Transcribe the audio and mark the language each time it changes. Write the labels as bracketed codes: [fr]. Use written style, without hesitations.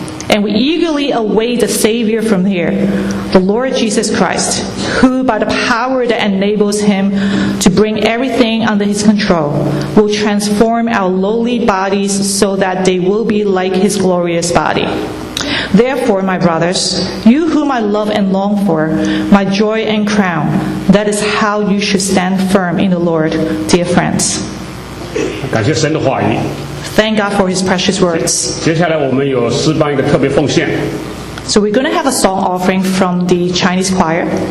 [en] And we eagerly await a Savior from here, the Lord Jesus Christ, who by the power that enables him to bring everything under his control, will transform our lowly bodies so that they will be like his glorious body. Therefore, my brothers, you whom I love and long for, my joy and crown, that is how you should stand firm in the Lord, dear friends. [zh] 感谢神的话语。 [en] Thank God for his precious words. [zh] 接下来我们有诗班一个特别奉献。 [en] So we're going to have a song offering from the Chinese choir.